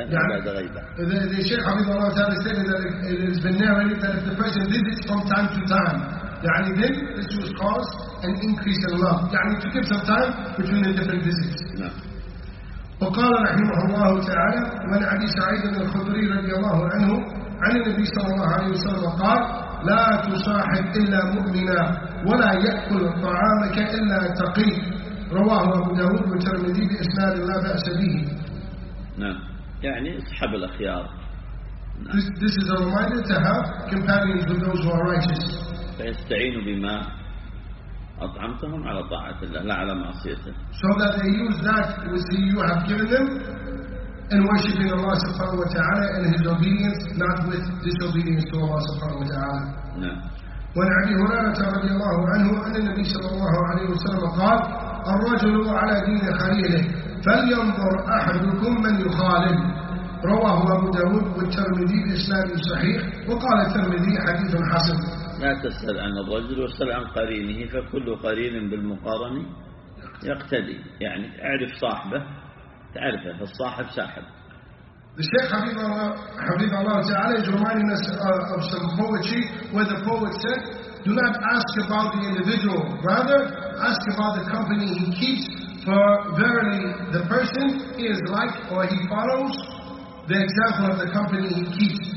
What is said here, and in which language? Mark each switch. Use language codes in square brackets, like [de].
[en] The Shaykh Hafiz al-Razali stated that it has been narrated that if the person visits from time to time, يعني then this was cause an increase in love. يعني to give some time between the different visits. [ar] وقال رحمه الله تعالى من أبي سعيد الخدري رضي الله عنه عن النبي صلى الله عليه وسلم قال لا تصاحب إلا مؤمنا ولا يأكل طعامك إلا تقي رواه أبو داود والترمذي بإسناد لا بأس به. نعم يعني اصحاب الأخيار. [en] This is a reminder to have companions with those who are righteous. [ar] فيستعينوا بما أطعمتهم على طاعة الله لا على معصيته. [en] So that they use that which you have given them in worshiping Allah subhanahu wa ta'ala and his obedience, not with disobedience to Allah subhanahu wa ta'ala. [ar] نعم. وعن أبي هريرة رضي الله عنه أن النبي صلى الله عليه وسلم قال الرجل على دين خليله فلينظر أحدكم من يخالف رواه أبو داود والترمذي بإسناد صحيح وقال الترمذي حديث حسن لا تسأل عن الرجل واسأل عن قرينه، فكل قرين بالمقارنة يقتدي. يعني اعرف صاحبه تعرفه، فالصاحب ساحب. [en] الشيخ حبيب الله تعالى is reminding us of some poetry where the poet said, do not ask about the individual, rather ask about the company he keeps, for verily the person he is like, or he follows the example of the company he keeps.